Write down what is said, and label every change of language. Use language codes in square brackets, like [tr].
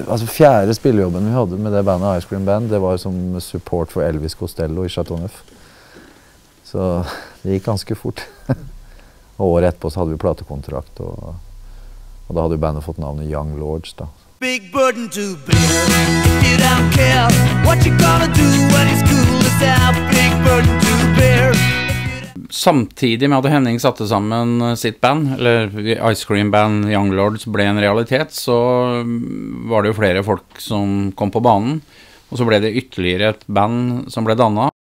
[no] Altså fjerde spillejobben vi hadde med det bandet Ice Cream Band, det var som support for Elvis Costello i Chateauneuf. Så det gikk ganske fort. Og året etterpå så hadde vi platekontrakt og da hadde bandet fått navnet Young Lords da. [en] Big burden to bear. You don't care what you gonna do when it's cool is out. Big burden to bear. [no] Samtidig med at Henning satte sammen sitt band, eller Ice Cream Band Young Lords ble en realitet, så var det jo flere folk som kom på banen, og så ble det ytterligere et band som ble dannet.